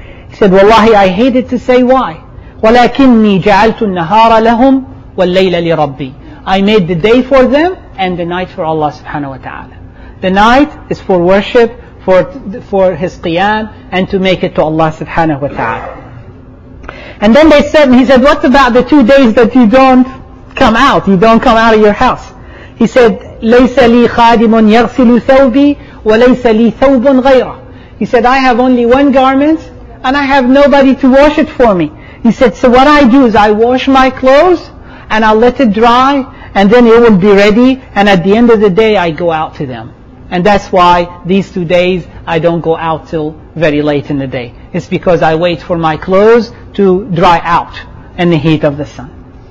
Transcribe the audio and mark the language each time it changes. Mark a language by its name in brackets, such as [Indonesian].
[English] He said, Wallahi, I hated to say why. [Arabic] ولكني جعلت النهار لهم والليل لربي, [English] I made the day for them and the night for Allah subhanahu wa ta'ala. The night is for worship, for his qiyam, and to make it to Allah subhanahu wa ta'ala. And then they said, and he said, what about the 2 days that you don't come out? You don't come out of your house. He said, [Arabic] ليس لي خادم يغسل ثوبي وليس لي ثوب غيره. [English] He said, I have only one garment and I have nobody to wash it for me. He said, so what I do is I wash my clothes and I'll let it dry and then it will be ready, and at the end of the day I go out to them. And that's why these 2 days I don't go out till very late in the day. It's because I wait for my clothes to dry out in the heat of the sun.